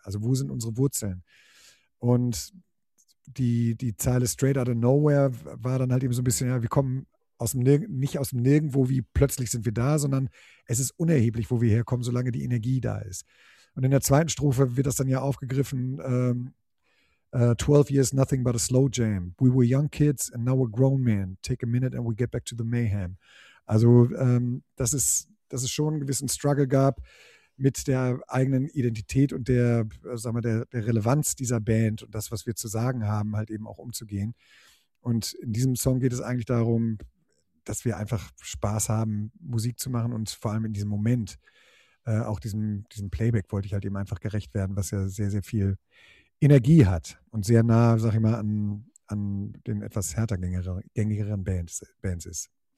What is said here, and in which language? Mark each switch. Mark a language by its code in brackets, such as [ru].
[de] Also wo sind unsere Wurzeln? Und die Zeile Straight Out of Nowhere war dann halt eben so ein bisschen, ja, wir kommen nicht aus dem Nirgendwo, wie plötzlich sind wir da, sondern es ist unerheblich, wo wir herkommen, solange die Energie da ist. Und in der zweiten Strophe wird das dann ja aufgegriffen, [en] 12 years, nothing but a slow jam. We were young kids and now we're grown men. Take a minute and we get back to the mayhem. [de] Also, dass es schon einen gewissen Struggle gab mit der eigenen Identität und der Relevanz dieser Band und das, was wir zu sagen haben, halt eben auch umzugehen. Und in diesem Song geht es eigentlich darum, dass wir einfach Spaß haben, Musik zu machen und vor allem in diesem Moment, auch diesem Playback wollte ich halt eben einfach gerecht werden, was ja sehr, sehr viel Energie hat und sehr nah, sag ich mal, an den etwas härter gängigeren Bands ist.